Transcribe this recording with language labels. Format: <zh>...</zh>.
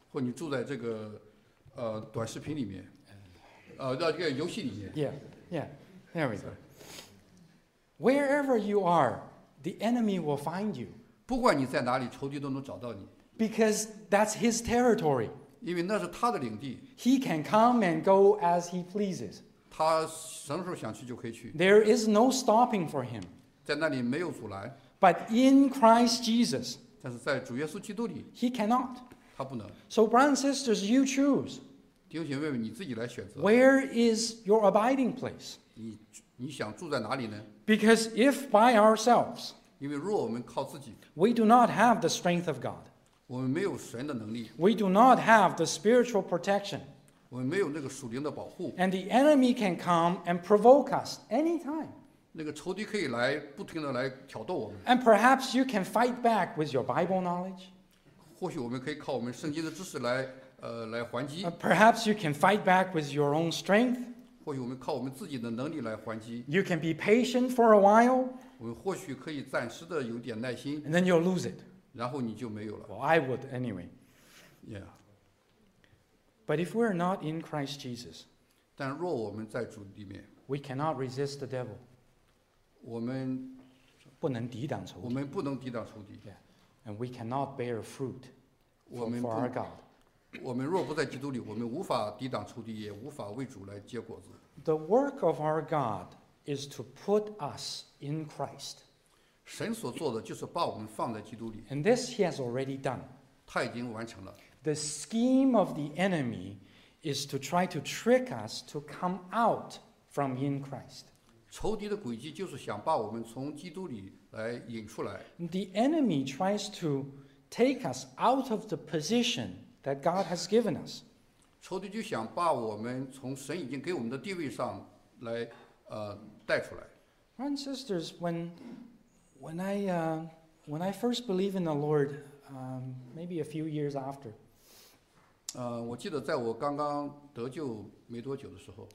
<zh>或你住在这个短视频里面，这个游戏里面</zh> <en>，Yeah, there we go. Wherever you are, the enemy will find you.</en> <zh>不管你在哪里，仇敌都能找到你</zh> <en>，Because that's his territory.</en> <zh>因为那是他的领地。</zh> <en>He can come and go as he pleases.</en> <zh>他什么时候想去就可以去。</zh> <en>There is no stopping for him.</en> <zh>在那里没有阻拦。</zh> <en>But in Christ Jesus.</en> <zh>但是在主耶稣基督里。</zh> <en>He cannot.</en> <zh>他不能。</zh> <en>So brothers and sisters, you choose.</en> <zh>弟兄姐妹们，你自己来选择。</zh> <en>Where is your abiding place?</en> <zh>你想住在哪里呢？</zh> <en>Because if by ourselves.</en> <zh>因为若我们靠自己。</zh> <en>We do not have the strength of God.</en> <zh>我们没有神的能力。</zh> <en>We do not have the spiritual protection.</en> <zh>我们没有那个属灵的保护。</zh> <en>And the enemy can come and provoke us anytime.</en> <zh>那个仇敌可以来，不停地来挑逗我们。</zh> <en>And perhaps you can fight back with your Bible knowledge.</en> <zh>或许我们可以靠我们圣经的知识来，来还击。</zh> <en>Perhaps you can fight back with your own strength.</en> <zh>或许我们靠我们自己的能力来还击。</zh> <en>You can be patient for a while.</en> <zh>我们或许可以暂时的有点耐心。</zh> <en>And then you'll lose it.</en> <zh>然后你就没有了。</zh> <en>Well, I would anyway. Yeah. But if we're not in Christ Jesus,</en> <zh>但若我们在主里面， we cannot resist the devil. 我们不能抵挡仇敌。我们不能抵挡仇敌。</zh> <en>Yeah. And we cannot bear fruit for our God.</en> <zh>我们若不在基督里，我们无法抵挡仇敌，也无法为主来结果子。</zh> <en>The work of our God is to put us in Christ.</en> <zh>神所做的就是把我们放在基督里。</zh> <en>And this he has already done.</en> <zh>他已经完成了。</zh> <en>The scheme of the enemy is to try to trick us to come out from in Christ.</en> <zh>仇敌的诡计就是想把我们从基督里来引出来。</zh> <en>The enemy tries to take us out of the position that God has given us.</en> <zh>仇敌就想把我们从神已经给我们的地位上来带出来。</zh> <en>Brothers and sisters, when I first believed in the Lord, maybe a few years after.</en> <zh>我记得在我刚刚得救没多久的时候。</zh>